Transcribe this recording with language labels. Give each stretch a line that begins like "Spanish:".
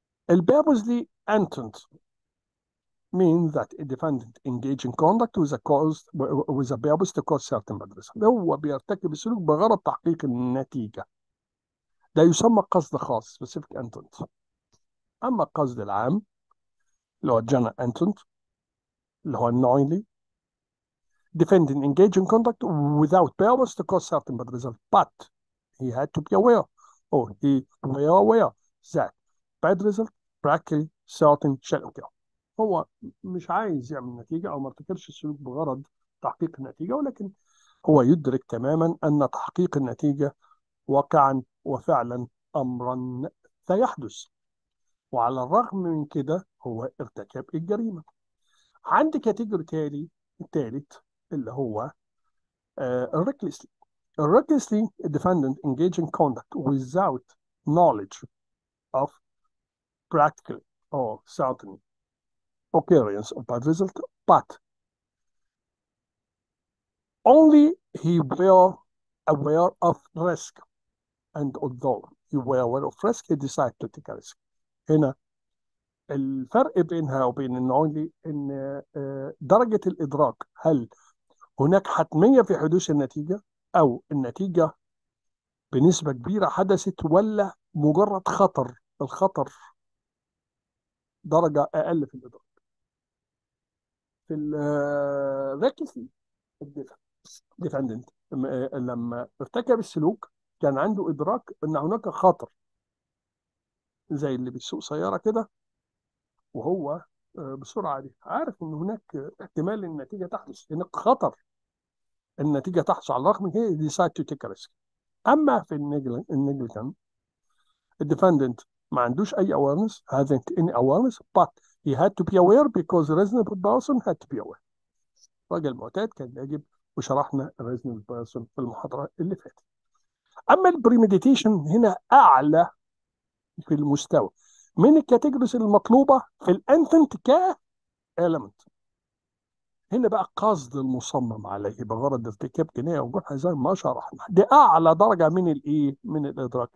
English: البيربزلي intent mean that a defendant engage in conduct with a cause with a purpose to cause certain badness.
Arabic: هو بيرتكب السلوك بغرض تحقيق النتيجه، ده يسمى قصد خاص
English: specific intent.
Arabic: اما القصد العام اللي هو
English: general intent اللي هو knowingly defendant engage in conduct without purpose to cause certain bad result, but he had to be aware or he were aware that bad result practically certain shall occur.
Arabic: هو مش عايز يعمل نتيجة أو ما ارتكبش السلوك بغرض تحقيق النتيجة، ولكن هو يدرك تماما أن تحقيق النتيجة واقعا وفعلا أمرا سيحدث، وعلى الرغم من كده هو ارتكب الجريمة. عندي كاتيجوري تالي التالت اللي هو recklessly.
English: Recklessly a defendant engage in conduct without knowledge of practically or certainly occurrence of bad result, but only he were aware of risk, and although he were aware of risk, he decided to take a risk.
Arabic: هنا الفرق بينها وبين النوعي إن درجة الإدراك، هل هناك حتمية في حدوث النتيجة أو النتيجة بنسبة كبيرة حدثت ولا مجرد خطر؟ الخطر درجة أقل في الإدراك. في الـ recklessly defendant لما ارتكب السلوك كان عنده إدراك إن هناك خطر، زي اللي بيسوق سيارة كده وهو بسرعة دي عارف إن هناك احتمال النتيجة تحدث، هناك خطر النتيجة تحدث على الرغم من كده
English: decide to take a risk. أما في النيجليجن الديفندنت
Arabic: ما عندوش أي
English: awareness, hasn't any awareness, but he had to be aware because the reasonable person had to be aware.
Arabic: راجل معتاد كان يجب، وشرحنا reasonable person في المحاضرة اللي فاتت. أما البريميديتيشن هنا أعلى في المستوى من الكاتيجوريز المطلوبة في الانتنت ك element. هنا بقى قصد المصمم عليه بغرض ارتكاب جنايه وجرح زي ما شرحنا، دي اعلى درجه من الايه؟ من الادراك.